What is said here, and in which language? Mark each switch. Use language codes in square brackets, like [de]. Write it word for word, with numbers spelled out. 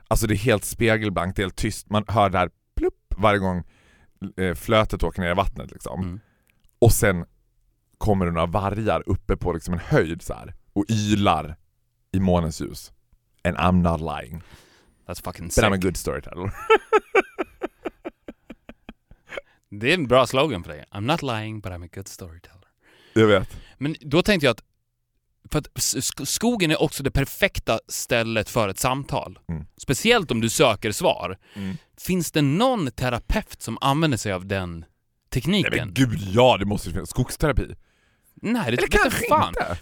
[sv] Alltså det är helt spegelblankt, det är helt tyst. Man hör där plupp varje gång flötet åker ner i vattnet liksom. Mm. Och sen kommer det några vargar uppe på liksom en höjd så här och ylar i månens ljus. [en] And I'm not lying. That's fucking sick. But I'm a good storyteller. [sv] Det är en bra slogan för dig. [en] I'm not lying, but I'm a good storyteller. [sv] Jag vet. Men då tänkte jag att, för att skogen är också det perfekta stället för ett samtal. Mm. Speciellt om du söker svar. Mm. Finns det någon terapeut som använder sig av den tekniken? Nej, men gud, ja, det måste finnas skogsterapi. Nej, det tror jag fan. Inte.